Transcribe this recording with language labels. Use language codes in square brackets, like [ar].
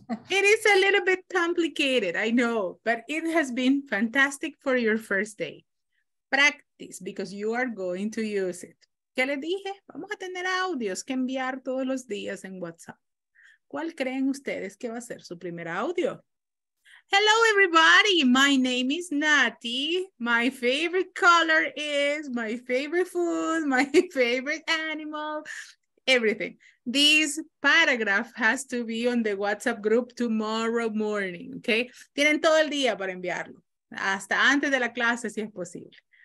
[en] It is a little bit complicated, I know, but it has been fantastic for your first day. Practice, because you are going to use it. [es] ¿Qué les dije? Vamos a tener audios que enviar todos los días en WhatsApp. ¿Cuál creen ustedes que va a ser su primer audio? [en] Hello, everybody. My name is Nati. My favorite color is my favorite food, my favorite animal, everything. This paragraph has to be on the WhatsApp group tomorrow morning, okay? [es] Tienen todo el día para enviarlo, hasta antes de la clase, si es posible.